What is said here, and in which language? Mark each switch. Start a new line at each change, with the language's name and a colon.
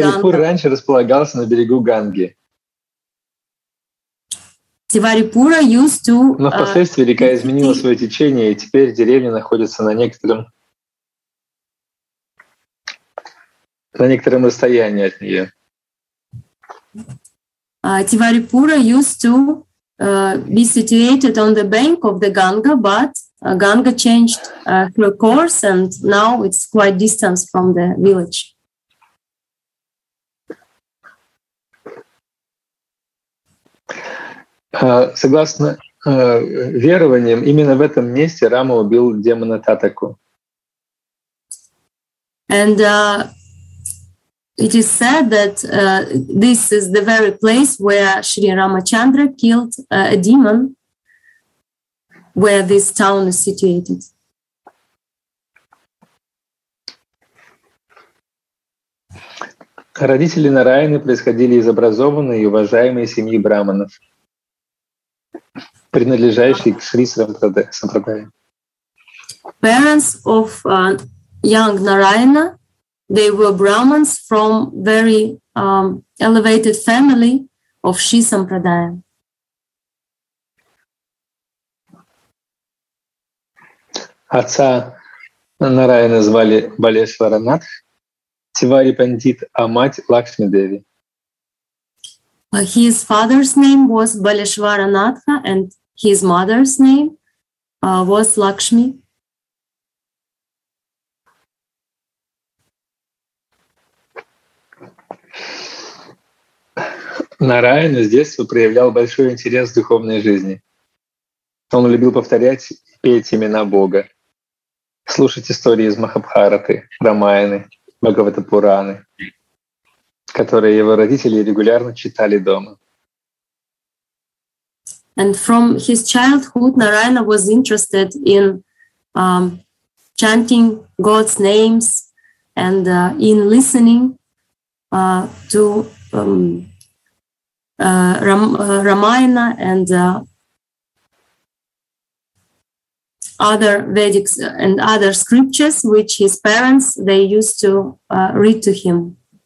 Russian: Тиварипур раньше располагался на берегу Ганги.
English: Тиварипура used to.
Russian: Но впоследствии река изменила свое течение, и теперь деревня находится на некотором расстоянии от нее.
English: Тиварипура used to be situated on the bank of the Ganga, but Ganga changed her course, and now it's quite distant from the village.
Russian: Согласно верованиям, именно в этом месте Рама убил демона Татаку.
English: And it is said that this is the very place where Sri Ramachandra killed a demon, where this town is situated.
Russian: Родители Нараяны происходили из образованной и уважаемой семьи браманов, принадлежащий к Шри Сампрадае.
English: Parents of young Narayana, they were Brahmins from very elevated family of Шри Сампрадае.
Russian: Отца Нараяна звали Балешвара Натх, Тивари Пандит, а мать Лакшми Деви.
English: His father's name was Balashvara Natha, and his mother's name was Lakshmi.
Russian: Нараяна с детства проявлял большой интерес к духовной жизни. Он любил повторять и петь имена Бога, слушать истории из Махабхараты, Рамаяны, Бхагавата-Пураны, которые его родители регулярно читали дома.
English: And from his childhood, Narayana was interested in chanting God's names and in listening to Ramayana and other Vedic and other scriptures, which his parents they used to read to him.